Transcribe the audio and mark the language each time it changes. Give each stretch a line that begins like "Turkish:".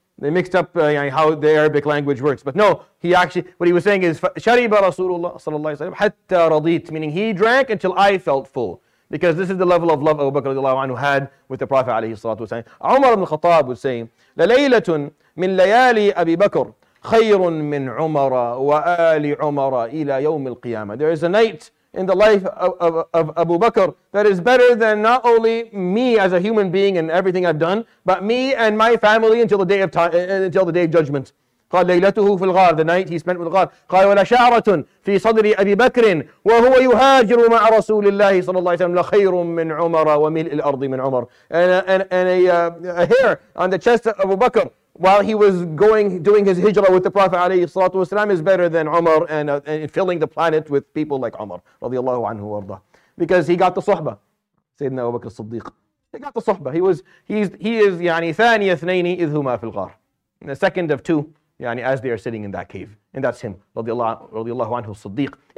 English: They mixed up how the Arabic language works. But no, what he was saying is,
Arabic: شَرِبَ رَسُولُ اللَّهِ صَلَى اللَّهِ عَلَيْهِ وَسَلَّمَ حَتَّى رَضِيتَ,
English: meaning he drank until I felt full. Because this is the level of love Abu Bakr radiallahu anhu had with the Prophet alayhi salatu wasalam. Umar ibn Khattab was saying,
Arabic: لَلَيْلَةٌ مِنْ لَيَالِي أَبِي بَكْرٍ خَيْرٌ مِنْ عُمَرَ وَآلِ عُمَرَ إِلَى يَوْمِ الْقِيَامَةِ.
English: There is a night in the life of Abu Bakr that is better than not only me as a human being and everything I've done, but me and my family until the day of time, until the day of judgment.
Arabic: قال ليلته في الغار,
English: the night he spent with
Arabic: الغار. قال ولا شعرة في صدر أبي بكر وهو يهاجر مع رسول الله صلى الله عليه وسلم لخير من عمر وملء الأرض من عمر.
English: And a hair on the chest of Abu Bakr while he was doing his hijrah with the Prophet عليه الصلاة والسلام is better than Umar and filling the planet with people like Umar
Arabic: رضي الله عنه وارضاه,
English: because he got the صحبة, سيدنا أبو بكر الصديق, he got the صحبة, he is
Arabic: ثاني اثنين إذ هما في الغار,
English: the second of two as they are sitting in that cave, and that's him
Arabic: رضي الله عنه الصديق.